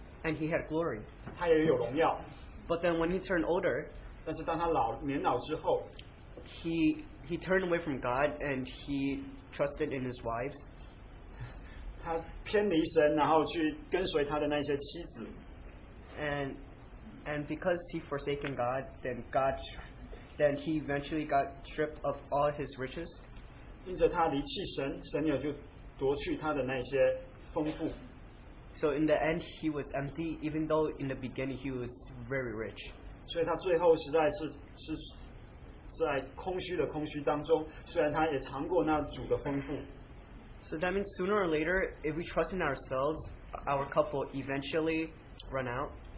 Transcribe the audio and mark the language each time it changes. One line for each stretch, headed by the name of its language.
English: And he had glory.
Chinese: 他也有荣耀。
English: But then when he turned older,
Chinese: 但是当他老年老之后,
English: he turned away from God and he trusted in his wives.
Chinese: 他偏离神，然后去跟随他的那些妻子。
English: And because he forsaken God, then he eventually got stripped of all his riches.
Chinese: 因着他离弃神，神也就夺去他的那些丰富。
English: So in the end, he was empty, even though in the beginning he was very rich.
Chinese: 所以他最后实在是 在空虚的空虚当中，虽然他也尝过那主的丰富。
English: So that means sooner or later, if we trust in ourselves, our cup will eventually run out.